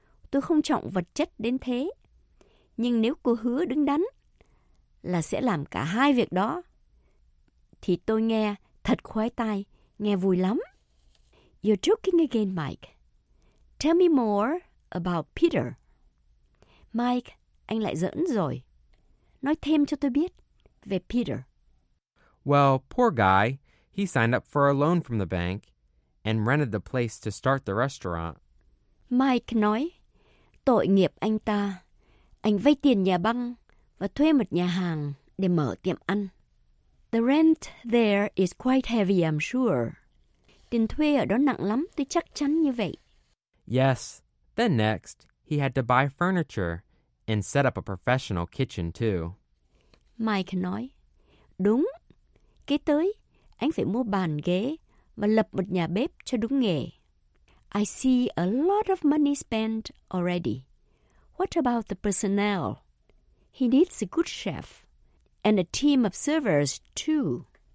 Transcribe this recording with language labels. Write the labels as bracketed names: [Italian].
[Vietnamese] Tôi không trọng vật chất đến thế. Nhưng nếu cô hứa đứng đắn là sẽ làm cả hai việc đó, thì tôi nghe thật khoái tai, nghe vui lắm. [English] You're joking again, Mike. Tell me more about Peter. [Vietnamese] Mike, anh lại giỡn rồi. Nói thêm cho tôi biết về Peter. [English] Well, poor guy. He signed up for a loan from the bank and rented the place to start the restaurant. [Vietnamese] Mike nói, tội nghiệp anh ta. Anh vay tiền nhà băng và thuê một nhà hàng để mở tiệm ăn. [English] The rent there is quite heavy, I'm sure. [Vietnamese] Tiền thuê ở đó nặng lắm, tôi chắc chắn như vậy. [English] Yes. Then next, he had to buy furniture and set up a professional kitchen, too. [Vietnamese] Mike nói, đúng. Kế tới, anh phải mua bàn ghế và lập một nhà bếp cho đúng nghề. [English] I see a lot of money spent already. What about the personnel? He needs a good chef and a team of servers, too.